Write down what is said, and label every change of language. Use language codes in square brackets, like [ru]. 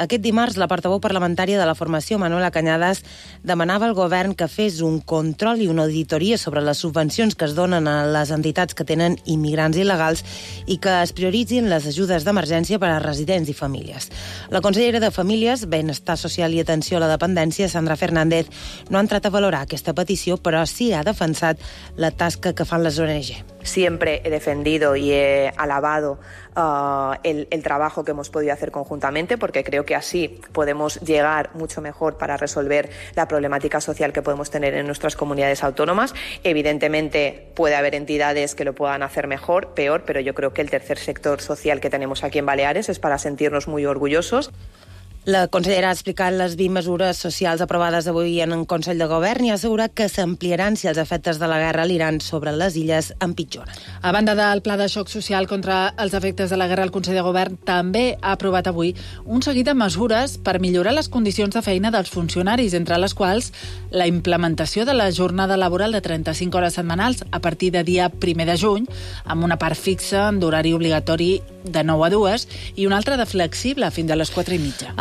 [ca] Aquest dimarts, la portavou parlamentària de la formació, Manuela Cañadas, demanava al govern que fes un control i una auditoria sobre les subvencions que es donen a les entitats que tenen immigrants il·legals i que es prioritzin les ajudes d'emergència per a residents i famílies. La consellera de Famílies, Benestar Social i Atenció a la Dependència, Sandra Fernández, no ha entrat a valorar aquesta petició, però sí ha defensat la tasca que fan les ONG. [es] Siempre he defendido y he alabado el trabajo que hemos podido hacer conjuntamente, porque creo que así podemos llegar mucho mejor para resolver la problemática social que podemos tener en nuestras comunidades autónomas. Evidentemente puede haber entidades que lo puedan hacer mejor, peor, pero yo creo que el tercer sector social que tenemos aquí en Baleares es para sentirnos muy orgullosos. [ca] La consellera ha explicat les 20 mesures socials aprovades avui en el Consell de Govern i ha assegurat que s'ampliaran si els efectes de la guerra a l'Iran sobre les illes empitjoren. A banda del pla de xoc social contra els efectes de la guerra, el Consell de Govern també ha aprovat avui un seguit de mesures per millorar les condicions de feina dels funcionaris, entre les quals la implementació de la jornada laboral de 35 hores setmanals a partir de dia 1 de juny, amb una part fixa d'horari obligatori de 9 a 2 i una altra de flexible fins a les 4 i mitja.